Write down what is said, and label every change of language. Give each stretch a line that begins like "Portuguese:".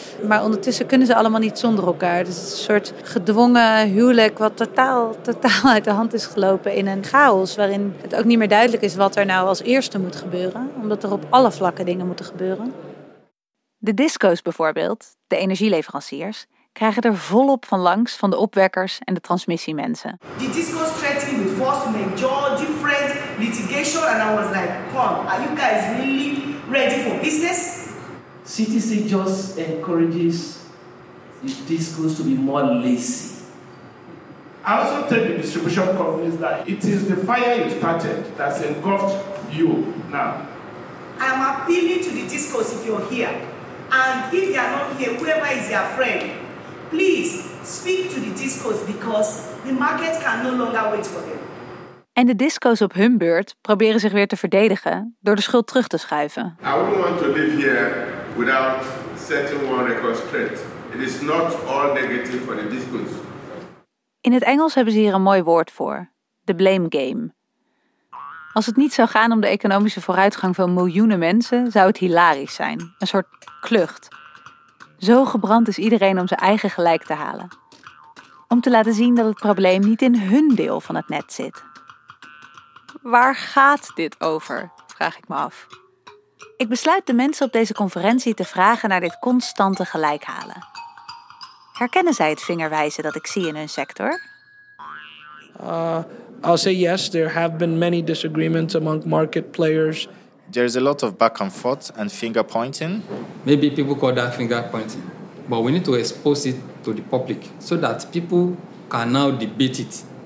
Dutch: Maar ondertussen kunnen ze allemaal niet zonder elkaar. Dus een soort gedwongen huwelijk wat totaal uit de hand is gelopen in een chaos, waarin het ook niet meer duidelijk is wat er nou als eerste moet gebeuren, omdat er op alle vlakken dingen moeten gebeuren. De discos bijvoorbeeld, de energieleveranciers, krijgen er volop van langs van de opwekkers en de transmissiemensen.
English: The discos threatened with force majeure, different litigation, and I was like, come, are you guys really ready for business. CTC just encourages the discos to be more lazy. I also tell the distribution companies that it is the fire you started that's engulfed you now. I am appealing to the discos if you're here. And if they are not here, whoever is their friend, please speak to the discos because the market can no longer wait for them.
Dutch: En de disco's op hun beurt proberen zich weer te verdedigen door de schuld terug te schuiven.
English: I wouldn't want to live here without setting one record straight. It is not all negative for the discos.
Dutch: In het Engels hebben ze hier een mooi woord voor: de blame game. Als het niet zou gaan om de economische vooruitgang van miljoenen mensen, zou het hilarisch zijn. Een soort klucht. Zo gebrand is iedereen om zijn eigen gelijk te halen. Om te laten zien dat het probleem niet in hun deel van het net zit. Waar gaat dit over, vraag ik me af. Ik besluit de mensen op deze conferentie te vragen naar dit constante gelijk halen. Herkennen zij het vingerwijzen dat ik zie in hun sector?
English: I'll say yes, there have been many disagreements among market players. There's a lot of back and forth and finger pointing. Maybe people call that finger pointing, but we need to expose it to the public so that people can now debate it.